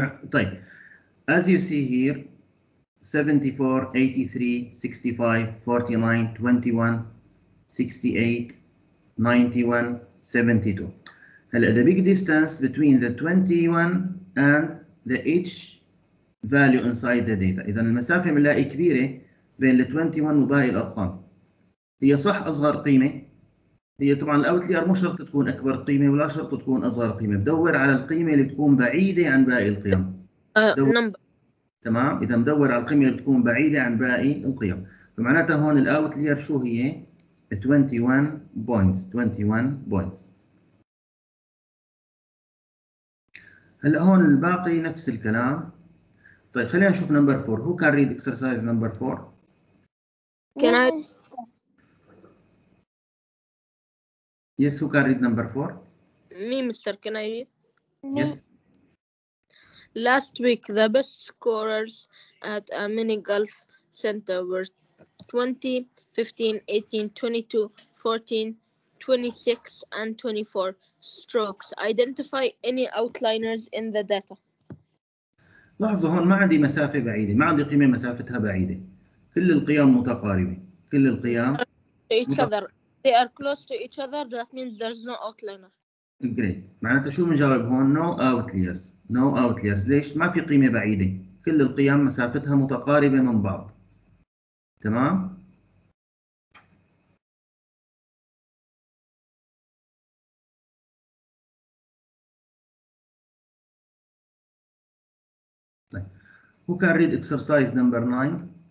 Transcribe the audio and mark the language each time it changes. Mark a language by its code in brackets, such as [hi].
[en] طيب, as you see here, 74, 83, 65, 49, 21, 68, 91, 72. The big distance between the 21 and the each value inside the data. [ar] إذا المسافة بنلاقي كبيرة بين ال 21 وباقي الأرقام. هي صح أصغر قيمة. هي طبعا الأوتلير مو شرط تكون أكبر قيمة ولا شرط تكون أصغر قيمة. بدور على القيمة اللي تكون بعيدة عن باقي القيم. تمام؟ إذا مدور على القيمة اللي تكون بعيدة عن باقي القيم. فمعناتها هون الأوتلير شو هي؟ 21 points. هلا هون الباقي نفس الكلام. طيب خلينا نشوف نمبر 4. [en] Who can read exercise number 4? Can I? Yes, who can read number 4? Me, Mr. Can I read? Yes. Last week, the best scorers at a mini golf center were 20, 15, 18, 22, 14, 26, and 24 strokes. Identify any outliers in the data. [ar] لاحظوا هون ما عندي مسافة بعيدة، ما عندي قيمة مسافتها بعيدة. كل القيم متقاربة، كل القيم. [en] They are close to each other, that means there's no outliner. Great. [ar] معناتها شو بنجاوب هون؟ [en] No outliers. No outliers. [ar] ليش؟ ما في قيمة بعيدة. كل القيم مسافتها متقاربة من بعض. [en] تمام؟ Who can read exercise number 9?